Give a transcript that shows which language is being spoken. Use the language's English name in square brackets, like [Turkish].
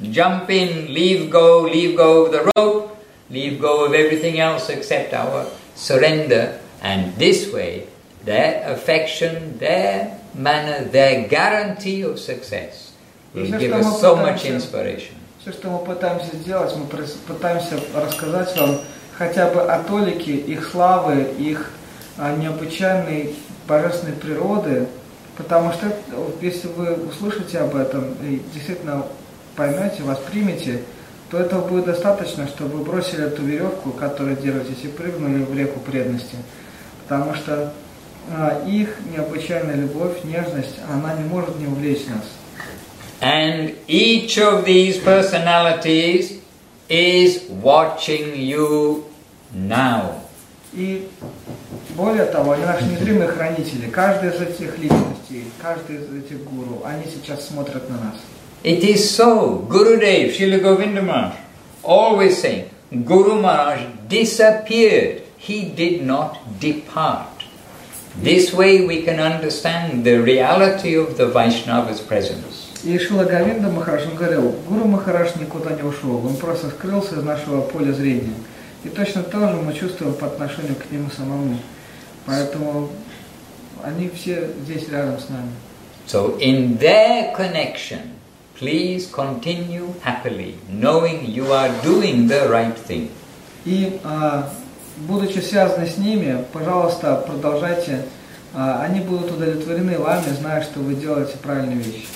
[English] Jump in, leave go of the rope, leave go of everything else except our surrender. And this way, their affection, their manner, their guarantee of success will give us so much inspiration. [Russian] Все, что мы пытаемся сделать, мы пытаемся рассказать вам хотя бы о толике их славы, их необычайной божественной природы, потому что если вы услышите об этом и действительно поймете, воспримете, то этого будет достаточно, чтобы вы бросили эту веревку, которую держитесь, и прыгнули в реку преданности. Потому что их необычайная любовь, нежность, она не может не увлечь нас. [English] And each of these personalities is watching you now. [Russian] И более того, они наши незримые хранители. Каждая из этих личностей, каждый из этих гуру, они сейчас смотрят на нас. [English] It is so. Gurudev, Srila Govinda Maharaj, always saying, Guru Maharaj disappeared. He did not depart. This way we can understand the reality of the Vaishnava's presence. [Russian] И Шрила Говинда Махарадж, он говорил, Гуру Махарадж никуда не ушел, он просто скрылся из нашего поля зрения. И точно так же мы чувствуем по отношению к нему самому. Поэтому они все здесь рядом с нами. [English] So in their connection, please continue happily, knowing you are doing the right thing. [Russian] И будучи связаны с ними, пожалуйста, продолжайте. Они будут удовлетворены вами, зная, что вы делаете правильные вещи.